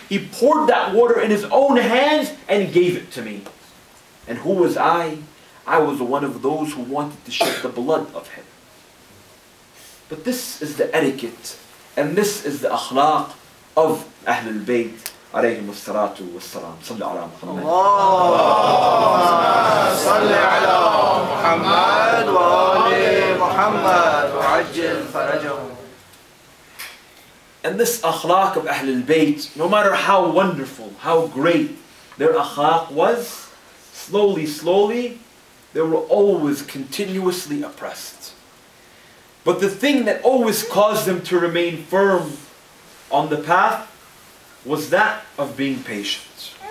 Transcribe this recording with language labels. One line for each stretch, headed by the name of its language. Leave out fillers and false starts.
English: He poured that water in his own hands and gave it to me. And who was I? I was one of those who wanted to shed the blood of him. But this is the etiquette, and this is the akhlaq of Ahlul Bayt.
Arabic: عليهم الصلاة والسلام صلى الله عليه وسلم اللهم صل على محمد وآل محمد وعجل فرجهم
English: And this akhlaq of Ahlul Bayt, no matter how wonderful, how great their akhlaq was, slowly, slowly, they were always continuously oppressed. But the thing that always caused them to remain firm on the path was that of being patient.